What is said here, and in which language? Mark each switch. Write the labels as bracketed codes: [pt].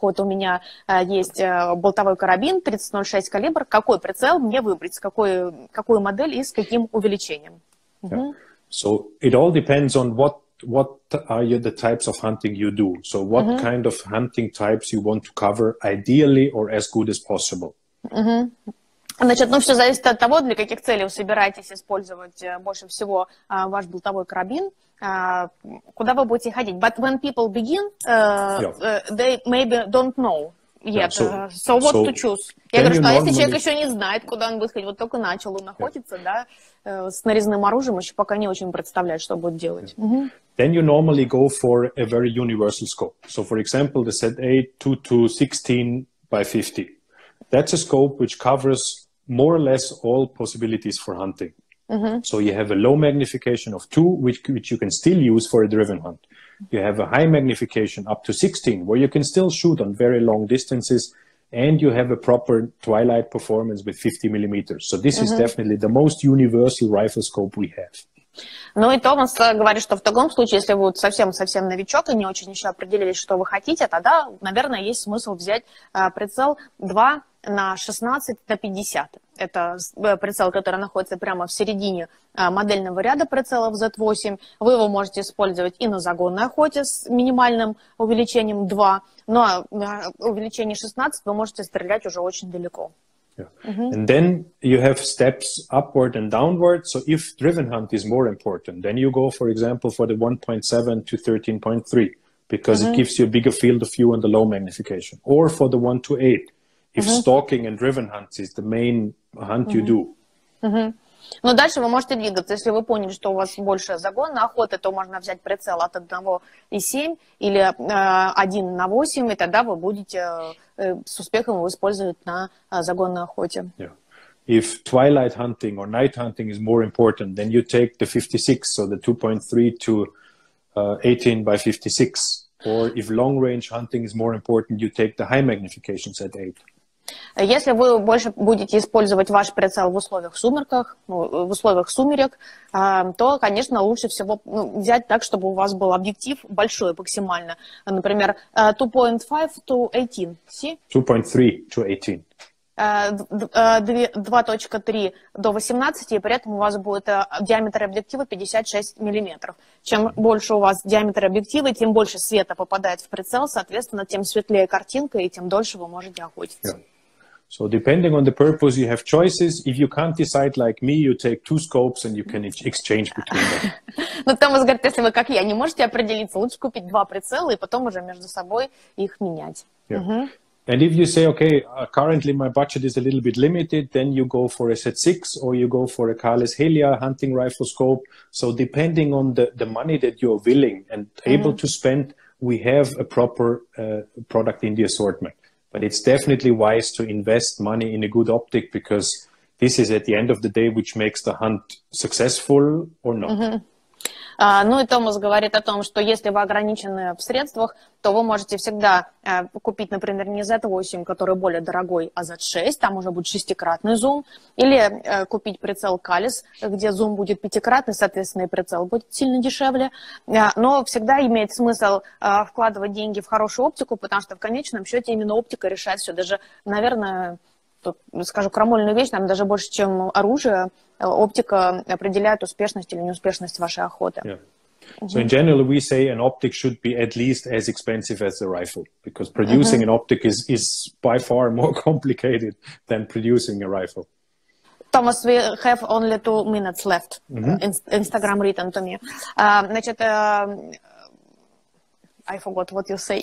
[ru] Вот у меня есть болтовой карабин 30.06 калибр. Какой прицел мне выбрать? Какую модель и с каким увеличением? [en] So it all depends on what are the types of hunting you do. So what kind of hunting types you want to cover ideally or as good as possible. [ru] Значит, ну все зависит от того, для каких целей вы собираетесь использовать больше всего ваш болтовой карабин, куда вы будете ходить. [en] But when people begin, they maybe don't know Yeah, so, so what so to choose? [ru] Я говорю, что если человек еще не знает, куда он выходит, вот только начал, он находится, yeah. да, с нарезным оружием, еще пока не очень представляет, что будет делать. [en] Yeah. Mm-hmm. Then you normally go for a very universal scope. So, for example, the set 8, 2 to 16 by 50. That's a scope which covers more or less all possibilities for hunting. Mm-hmm. So you have a low magnification of 2, which you can still use for a driven hunt. You have a high magnification up to 16, where you can still shoot on very long distances, and you have a proper twilight performance with 50 millimeters. So this mm-hmm. is definitely the most universal rifle scope we have. [ru] Ну и Томас говорит, что в таком случае, если вы совсем-совсем новичок и не очень еще определились, что вы хотите, тогда, наверное, есть смысл взять прицел 2 на 16 на 50. Это прицел, который находится прямо в середине модельного ряда прицелов Z8. Вы его можете использовать и на загонной охоте с минимальным увеличением 2, но увеличение 16 вы можете стрелять уже очень далеко. [en] Yeah. Mm-hmm. And then you have steps upward and downward. So if driven hunt is more important, then you go, for example, for the 1.7 to 13.3 because mm-hmm. it gives you a bigger field of view and the low magnification. Or for the 1 to 8, if mm-hmm. stalking and driven hunt is the main hunt mm-hmm. you do. Mm-hmm. [ru] Но дальше вы можете двигаться. Если вы поняли, что у вас больше загон на охоту, то можно взять прицел от 1.7 или 1 на 8, и тогда вы будете... с успехом его использовать на загонной охоте. [en] Yeah. If twilight hunting or night hunting is more important, then you take the 56, so the 2.3 to 18 by 56. Or if long range hunting is more important, you take the high magnification set 8. [ru] Если вы больше будете использовать ваш прицел в условиях сумерках, в условиях сумерек, то, конечно, лучше всего взять так, чтобы у вас был объектив большой максимально. Например, [en] 2.5 to 18. See? 2.3 to 18. [ru] 2.3 до 18, и при этом у вас будет диаметр объектива 56 миллиметров. Чем больше у вас диаметр объектива, тем больше света попадает в прицел, соответственно, тем светлее картинка, и тем дольше вы можете охотиться. [en] Yeah. So depending on the purpose, you have choices. If you can't decide like me, you take two scopes and you can exchange between them. [ru] Но Томас говорит, если вы как я не можете определиться, лучше купить два прицела и потом уже между собой их менять. [en] And if you say, okay, currently my budget is a little bit limited, then you go for a set 6 or you go for a Carlos Helia hunting rifle scope. So depending on the money that you're willing and able to spend, we have a proper product in the assortment. But it's definitely wise to invest money in a good optic because this is at the end of the day which makes the hunt successful or not. Mm-hmm. [ru] Ну и Томас говорит о том, что если вы ограничены в средствах, то вы можете всегда купить, например, не Z8, который более дорогой, а Z6, там уже будет шестикратный зум, или купить прицел Калис, где зум будет пятикратный, соответственно, и прицел будет сильно дешевле. Но всегда имеет смысл вкладывать деньги в хорошую оптику, потому что в конечном счете именно оптика решает все. Даже, наверное, тут, скажу крамольную вещь, там даже больше, чем оружие, оптика определяет успешность или неуспешность вашей охоты. [en] Yeah. So in general, we say an optic should be at least as expensive as a rifle, because producing an optic is by far more complicated than producing a rifle. Томас, we have only 2 minutes left. Instagram written to me. [ru] Значит, [en] I forgot what you say.